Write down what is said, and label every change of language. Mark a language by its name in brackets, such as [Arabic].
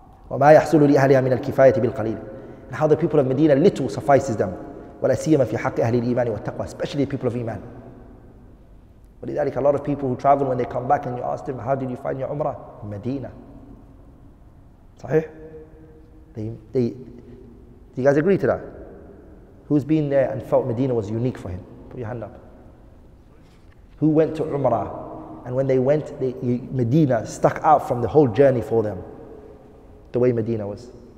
[Arabic] وما يحصل لأهلها من الكفاية بالقليل. [English] And how the people of Medina, little suffices them. [Arabic] ولا سيما في حق أهل الإيمان والتقوى, [English] especially the people of Iman. ولذلك a lot of people who travel, when they come back and you ask them, how did you find your Umrah? Medina. صحيح؟ They do you guys agree to that? Who's been there and felt Medina was unique for him? Put your hand up. Who went to Umrah and when they went, Medina stuck out from the whole journey for them, the way Medina was?